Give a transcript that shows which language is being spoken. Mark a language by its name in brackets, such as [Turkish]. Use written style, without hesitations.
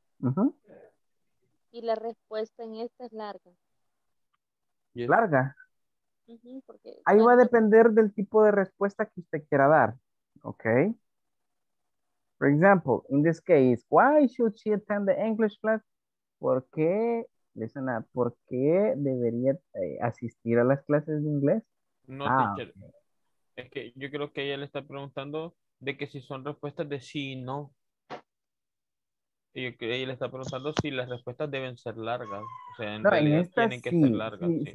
[Spanish] Uh-huh. Y la respuesta en esta es larga. [English] Yes. [Spanish] ¿Larga? Uh-huh, porque ahí va a depender del tipo de respuesta que usted quiera dar. Ok. [English] For example, in this case, why should she attend the English class? [Spanish] ¿Por qué? [English] Listen up, [Spanish] ¿por qué debería asistir a las clases de inglés? [English] No, teacher. Okay. [Spanish] Es que yo creo que ella le está preguntando de que si son respuestas de sí y no. Y yo creo que ella le está preguntando si las respuestas deben ser largas. O sea, en realidad en esta, tienen que sí, ser largas.